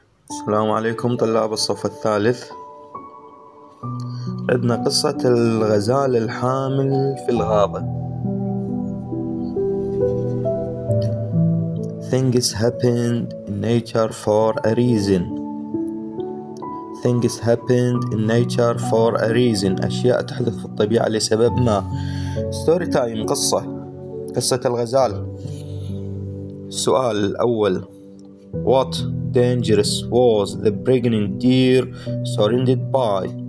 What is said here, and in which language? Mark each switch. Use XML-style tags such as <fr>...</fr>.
<ar>السلام عليكم طلاب الصف الثالث. عندنا قصة الغزال الحامل في الغابة.</ar> <en>Things happened in nature for a reason. Things happened in nature for a reason.</en> <ar>أشياء تحدث في الطبيعة لسبب ما.</ar> <en>Story time.</en> <ar>قصة الغزال. السؤال الأول:</ar> <en>What dangerous was the pregnant deer surrounded by?</en>